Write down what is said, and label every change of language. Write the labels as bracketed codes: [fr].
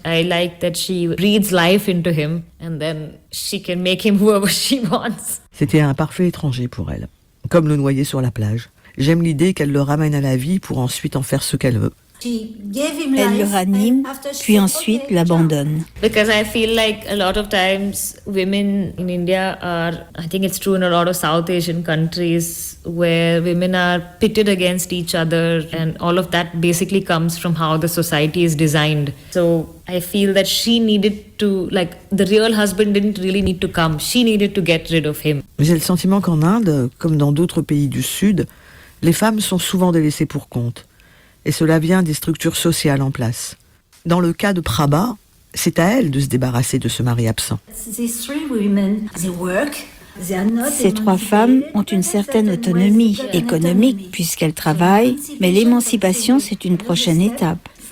[en] I like that she breathes life into him and then she can make him whoever she wants. [fr] C'était un parfait étranger pour elle, comme le noyé sur la plage. J'aime l'idée qu'elle le ramène à la vie pour ensuite en faire ce qu'elle veut. Elle le ranime, puis ensuite l'abandonne. [en] Because I feel like a lot of times women in India are, I think it's true in a lot of South Asian countries where women are pitted against each other, and all of that basically comes from how the society is designed. So I feel that she needed to, like, the real husband didn't really need to come. She needed to get rid of him. [fr] J'ai le sentiment qu'en Inde, comme dans d'autres pays du Sud, les femmes sont souvent délaissées pour compte. Et cela vient des structures sociales en place. Dans le cas de Prabha, c'est à elle de se débarrasser de ce mari absent. Ces trois femmes ont une certaine autonomie économique puisqu'elles travaillent, mais l'émancipation, c'est une prochaine étape.